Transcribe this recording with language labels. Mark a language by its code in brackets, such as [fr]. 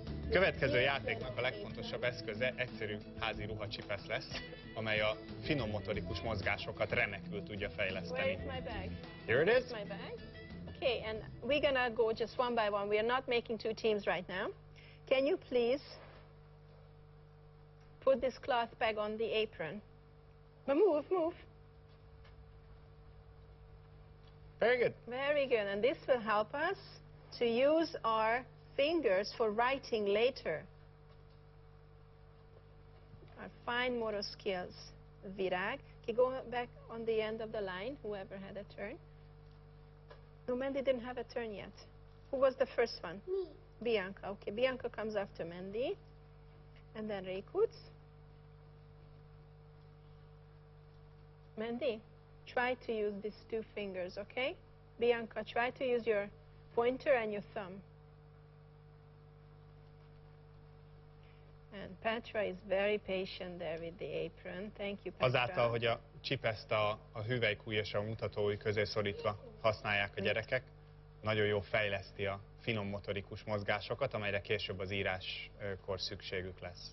[hu] Következő játéknak a legfontosabb eszköze egyszerű házi ruhacsipesz lesz, amely a finom motorikus mozgásokat remekül tudja fejleszteni. [en] Where is my bag? Here it is. My bag. Okay, and we're gonna go just one by one. We are not making two teams right now. Can you please put this cloth bag on the apron? Move, move. Very good. Very good. And this will help us to use our fingers for writing later. Our fine motor skills. Virág. Can you go back on the end of the line, whoever had a turn? No, Mandy didn't have a turn yet. Who was the first one? Me. Bianca. Okay, Bianca comes after Mandy. And then Rekutz. Mandy, try to use these two fingers, okay? Bianca, try to use your pointer and your thumb. And Petra is very patient there with the apron. Thank you, Petra. [hu] Azáltal, hogy a csipeszt a hüvelykúj és a mutatóujj közé szorítva használják a gyerekek, nagyon jól fejleszti a finom motorikus mozgásokat, amelyre később az íráskor szükségük lesz.